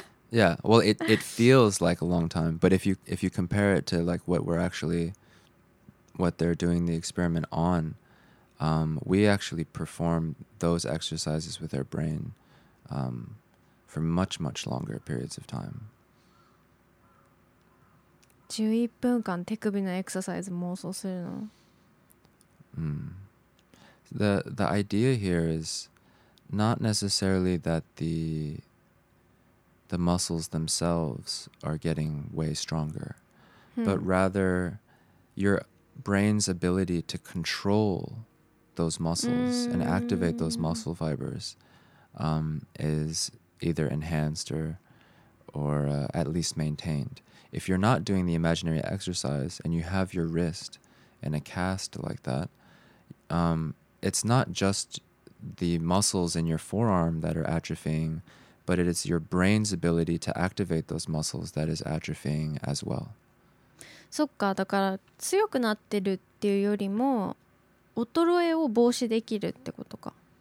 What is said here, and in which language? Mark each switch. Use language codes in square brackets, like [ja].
[en] Yeah, well, it feels like a long time, but if you compare it to like what they're doing the experiment on, we actually perform those exercises with our brain for much, much longer periods of time. [ja] 11分間手首のエクササイズ妄想するの? [en] The idea here isNot necessarily that the muscles themselves are getting way stronger, but rather your brain's ability to control those muscles and activate those muscle fibers is either enhanced or at least maintained. If you're not doing the imaginary exercise and you have your wrist in a cast like that, it's not justthe muscles in your forearm that are atrophying, but it is your brain's ability to activate those muscles that is atrophying as well. [ja] そっか、だから強くなってるっていうよりも衰えを防止できるってことか。